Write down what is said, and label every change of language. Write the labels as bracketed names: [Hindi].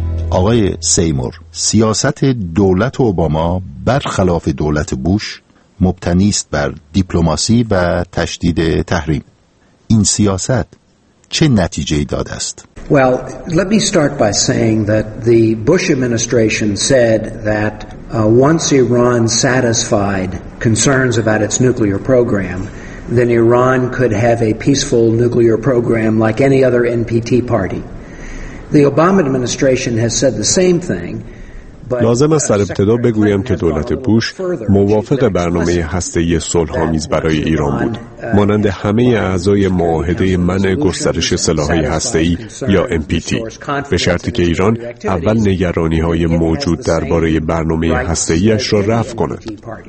[Persian] آقای سیمور، سیاست دولت اوباما برخلاف دولت بوش مبتنی است بر دیپلماسی و تشدید تحریم. این سیاست چه نتیجه داده است؟ [English] Well, let me start by saying that the Bush administration said that once Iran satisfied concerns about its nuclear program, then Iran could have a peaceful nuclear program like any other NPT party. The Obama administration has said the same thing. [Persian] لازم است در ابتدا بگویم که دولت بوش موافق برنامه هسته‌ای صلح‌آمیز برای ایران بود. مانند همه اعضای معاهده منع گسترش سلاح‌های هسته‌ای یا MPT، به شرطی که ایران اول نگرانی‌های موجود درباره برنامه هسته‌ایش را رفع کند.